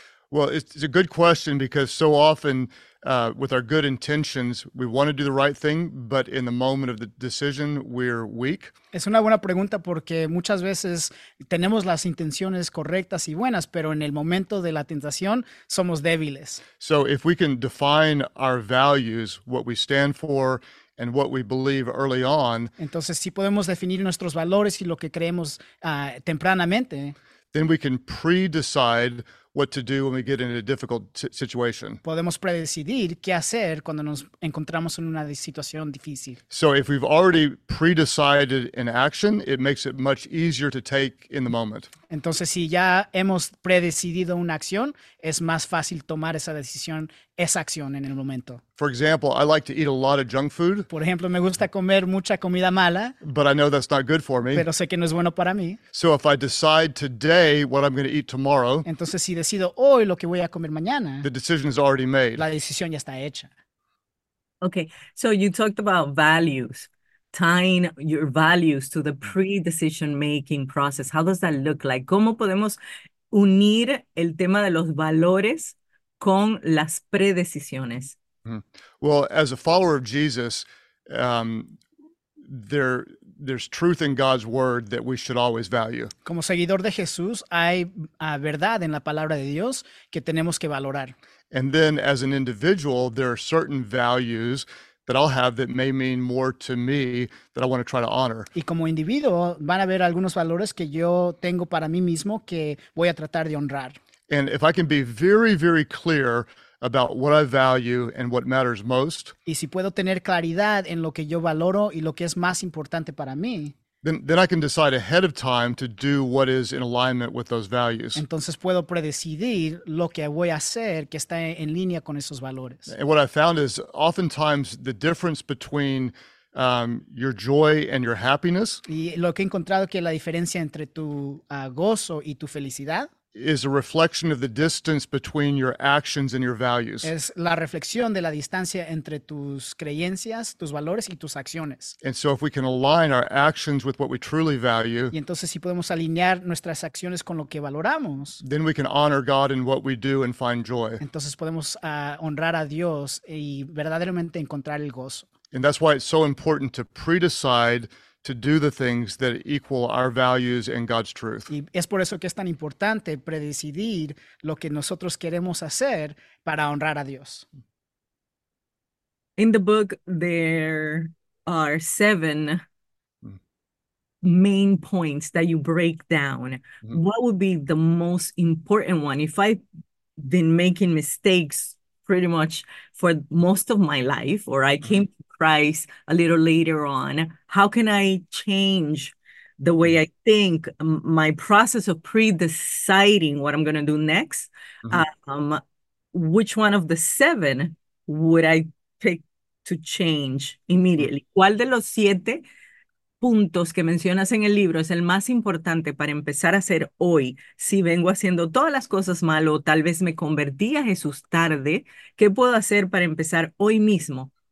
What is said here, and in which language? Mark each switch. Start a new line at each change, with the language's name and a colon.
English: Well, it's a good question because so often with our good intentions, we want to do the right thing, but in the moment of the decision, we're weak.
Spanish: Es una buena pregunta porque muchas veces tenemos las intenciones correctas y buenas, pero en el momento de la tentación somos débiles.
English: So if we can define our values, what we stand for, and what we believe early on.
Spanish: Entonces, si podemos definir nuestros valores y lo que creemos tempranamente,
English: then we can pre-decide what to do when we get in a difficult situation.
Spanish: Podemos predecidir qué hacer cuando nos encontramos en una situación difícil.
English: So if we've already pre-decided an action, it makes it much easier to take in the moment.
Spanish: Entonces, si ya hemos predecidido una acción, es más fácil tomar esa decisión, esa acción en el momento.
English: For example, I like to eat a lot of junk food.
Spanish: Por ejemplo, me gusta comer mucha comida mala.
English: But I know that's not good for me.
Spanish: Pero sé que no es bueno para mí.
English: So if I decide today what I'm going to eat tomorrow,
Spanish: entonces si decido hoy lo que voy a comer mañana,
English: the decision is already made.
Spanish: La decisión ya está hecha.
English: Okay, so you talked about values. Tying your values to the pre-decision-making process. How does that look like?
Spanish: ¿Cómo podemos unir el tema de los valores con las predecisiones?
English: Well, as a follower of Jesus, there's truth in God's word that we should always value.
Spanish: Como seguidor de Jesús, hay verdad en la palabra de Dios que tenemos que valorar.
English: And then as an individual, there are certain values that I'll have that may mean more to me that I want to try to honor.
Spanish: Y como individuo, van a haber algunos valores que yo tengo para mí mismo que voy a tratar de honrar.
English: And if I can be very, very clear about what I value and what matters most,
Spanish: y si puedo tener claridad en lo que yo valoro y lo que es más importante para mí,
English: then I can decide ahead of time to do what is in alignment with those values.
Spanish: Entonces puedo predecidir lo que voy a hacer que está en línea con esos valores.
English: And what I found is oftentimes the difference between Your joy and your happiness.
Spanish: Y lo que he encontrado que la diferencia entre tu gozo y tu felicidad
English: is a reflection of the distance between your actions and your values.
Spanish: Es la reflexión de la distancia entre tus creencias, tus valores y tus acciones.
English: And so if we can align our actions with what we truly value,
Spanish: y entonces si podemos alinear nuestras acciones con lo que valoramos,
English: then we can honor God in what we do and find joy.
Spanish: Entonces podemos honrar a Dios y verdaderamente encontrar el gozo.
English: And that's why it's so important to predecide to do the things that equal our values and God's truth.
Spanish: Y es por eso que es tan importante predecidir lo que nosotros queremos hacer para honrar a Dios.
English: In the book, there are 7 main points that you break down. Mm-hmm. What would be the most important one? If I've been making mistakes pretty much for most of my life, or I came to Christ a little later on, how can I change the way I think, my process of pre-deciding what I'm going to do next? Mm-hmm. Which one of the 7 would I pick to change immediately? Mm-hmm.
Spanish: ¿Cuál de los 7 puntos que mencionas en el libro es el más importante para empezar a hacer hoy? Si vengo haciendo todas las cosas mal o tal vez me convertí a Jesús tarde, ¿qué puedo hacer para empezar hoy mismo?